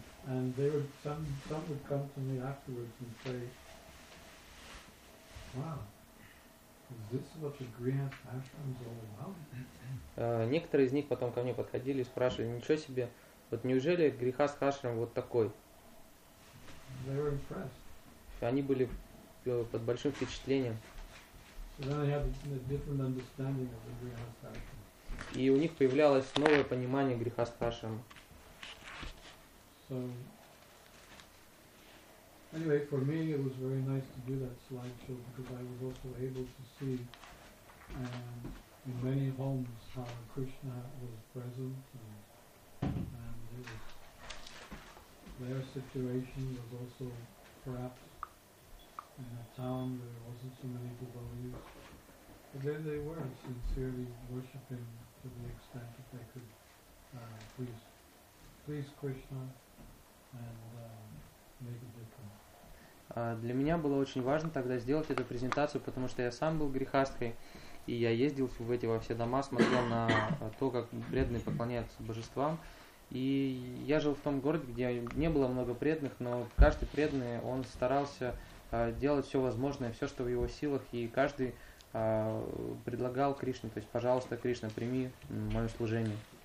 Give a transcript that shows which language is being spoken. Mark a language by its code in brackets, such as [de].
[en] And they would, some would come to me afterwards and say, wow, is this what a grihastha ashram is all about? [ru] Некоторые из них потом ко мне подходили и спрашивали, ничего себе, вот неужели грихастха ашрам вот такой? [en] They were impressed. [ru] Они были под большим впечатлением. [en] So then they had a different understanding of the grihastha ashram. [ru] И у них появлялось новое понимание грихастха ашрам. [en] So, anyway, for me it was very nice to do that slideshow because I was also able to see in many homes how Krishna was present and it was, their situation was also perhaps in a town where there wasn't so many devotees. But there they were sincerely worshipping to the extent that they could please Krishna and make a difference. [ru] Для меня было очень важно тогда сделать эту презентацию, потому что я сам был грихастхой, и я ездил в эти во все дома, смотрел на то, как преданные поклоняются божествам. И я жил в том городе, где не было много преданных, но каждый преданный, он старался делать все возможное, все, что в его силах, и каждый предлагал Кришне, то есть, пожалуйста, Кришна, прими мое служение.